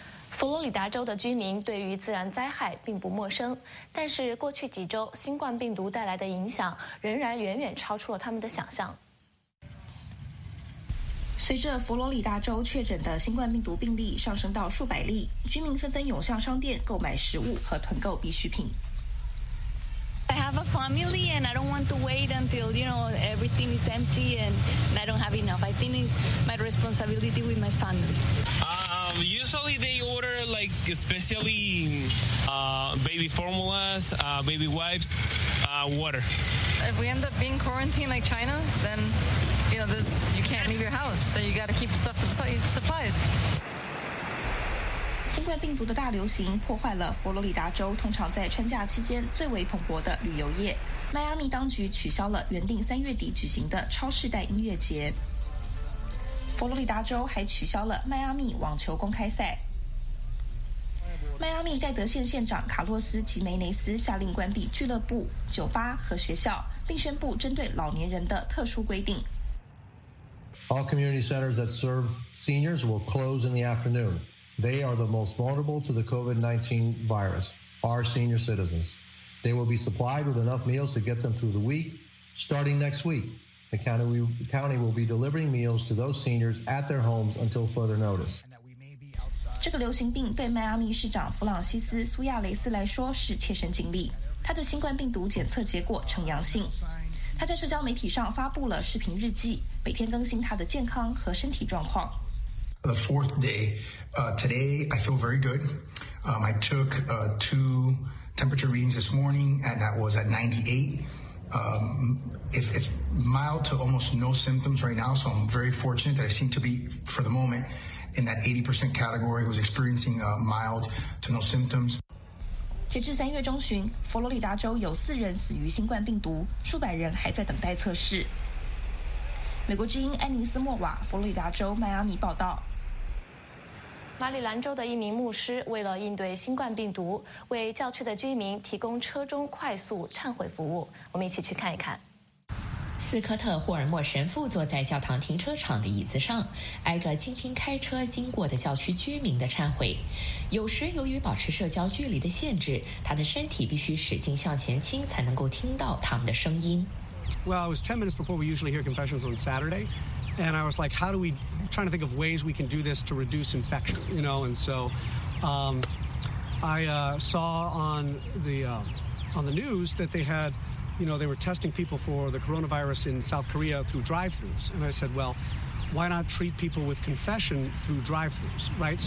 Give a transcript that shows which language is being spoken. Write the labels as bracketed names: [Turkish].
[Chinese] 佛罗里达州的居民对于自然灾害并不陌生，但是过去几周新冠病毒带来的影响仍然远远超出了他们的想象。随着佛罗里达州确诊的新冠病毒病例上升到数百例，居民纷纷涌向商店购买食物和囤购必需品。 [English] I have a family and I don't want to wait until, you know, everything is empty and I don't have enough. I think it's my responsibility with my family. Usually they order like especially baby formulas, baby wipes, water. If we end up being quarantined like China, then, you know, this, you can't leave your house. So you got to keep stuff supplies. [Chinese] 新冠病毒的大流行破坏了佛罗里达州通常在春假期间最为蓬勃的旅游业。迈阿密当局取消了原定三月底举行的超世代音乐节。佛罗里达州还取消了迈阿密网球公开赛。迈阿密戴德县县长卡洛斯·吉梅内斯下令关闭俱乐部、酒吧和学校，并宣布针对老年人的特殊规定。 [English] All community centers that serve seniors will close in the afternoon. They are the most vulnerable to the COVID-19 virus, our senior citizens. They will be supplied with enough meals to get them through the week. Starting next week, the county will be delivering meals to those seniors at their homes until further notice. [Chinese] 这个流行病对迈阿密市长弗朗西斯·苏亚雷斯来说是切身经历。他的新冠病毒检测结果呈阳性。他在社交媒体上发布了视频日记，每天更新他的健康和身体状况。 [English] The fourth day, today, I feel very good. I took two temperature readings this morning, and that was at 98. It's mild to almost no symptoms right now, so I'm very fortunate that I seem to be, for the moment, in that 80% category, was experiencing mild to no symptoms. [Chinese] 截至三月中旬，佛罗里达州有四人死于新冠病毒，数百人还在等待测试。美国之音安妮斯莫瓦，佛罗里达州迈阿密报道。马里兰州的一名牧师为了应对新冠病毒，为教区的居民提供车中快速忏悔服务。我们一起去看一看。斯科特·霍尔默神父坐在教堂停车场的椅子上，挨个倾听开车经过的教区居民的忏悔。有时由于保持社交距离的限制，他的身体必须使劲向前倾才能够听到他们的声音。 [English] Well, it was 10 minutes before we usually hear confessions on Saturday, and I was like, how do we, trying to think of ways we can do this to reduce infection, you know, and so I saw on the news that they had, you know, they were testing people for the coronavirus in South Korea through drive-thrus, and I said, well, why not treat people with confession through drive-thrus, right?